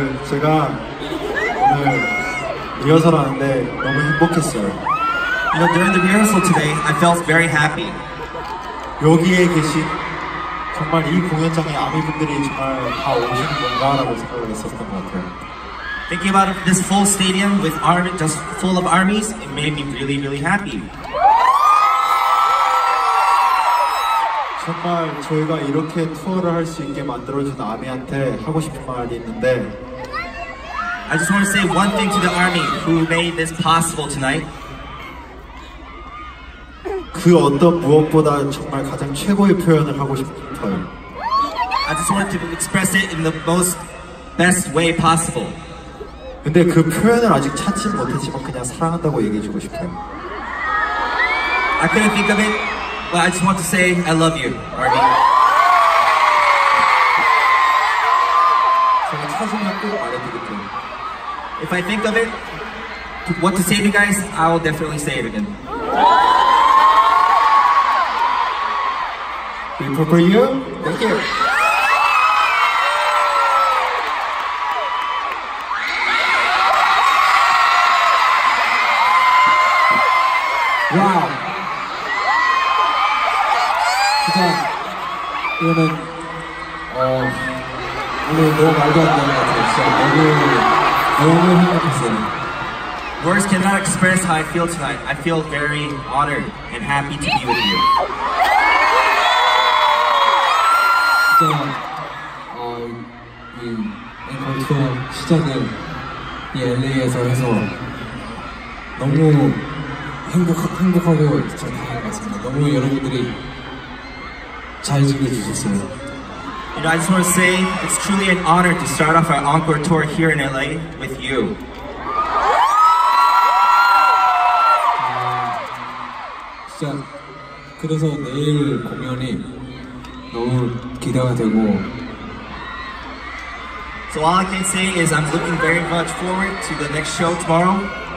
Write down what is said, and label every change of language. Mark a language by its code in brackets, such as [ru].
[ko] 제가 오늘 리허설 하는데 너무 행복했어요. [en] You know, during the rehearsal today, I felt very happy. [ko] 여기에 계신 정말 이 공연장에 아미분들이 정말 다 오신 건가라고 생각을 했었던 것 같아요. [en] Thinking about this full stadium with army, just full of armies, it made me really, really happy. [ko] 정말 저희가 이렇게 투어를 할 수 있게 만들어준 아미한테 하고 싶은 말이 있는데 [en] I just want to say one thing to the army who made this possible tonight. [ko] 그 어떤 무엇보다 정말 가장 최고의 표현을 하고 싶어요. [en] I just want to express it in the most best way possible. [ko] 근데 그 표현을 아직 찾지 못했지만 그냥 사랑한다고 얘기해주고 싶어요. [en] I couldn't think of it, but I just want to say I love you, army. [ko] 제가 찾으면 꼭 알려드릴게요. [en] If I think of it, what to say to you guys, I will definitely say it again. We prepare you. Thank you. [ko] 와우. 진짜 이거는 오늘 너무 말도 안 되는 것 같아요. 진짜 너무 너무 행복했어요. [en] Words cannot express how I feel tonight. I feel very honored and happy to be with you. [ko] 진짜 이 앵콜 투어 시작을 이 LA에서 해서 너무 행복하고 진짜 다행인 것 같습니다. 너무 여러분들이 잘 지켜주셨어요. [en] You know, I just want to say it's truly an honor to start off our encore tour here in LA with you. [ko] 진짜 그래서 내일 공연이 너무 기대가 되고. [en] So all I can say is I'm looking very much forward to the next show tomorrow.